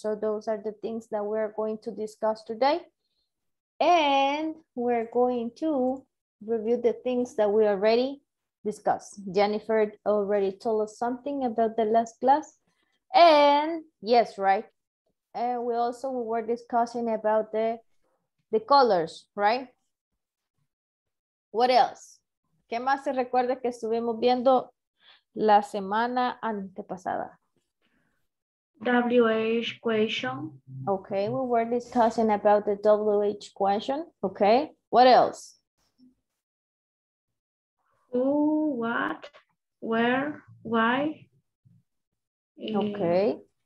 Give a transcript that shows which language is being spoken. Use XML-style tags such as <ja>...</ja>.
<en>So those are the things that we're going to discuss today. And we're going to review the things that we already discussed. Jennifer already told us something about the last class. And yes, right? And we also were discussing about the colors, right? What else?</en> <es>¿Qué más se recuerda que estuvimos viendo la semana antepasada?</es> <en>WH question. Okay, we were discussing about the WH question. Okay, what else? Who, what, where, why? Okay.</en>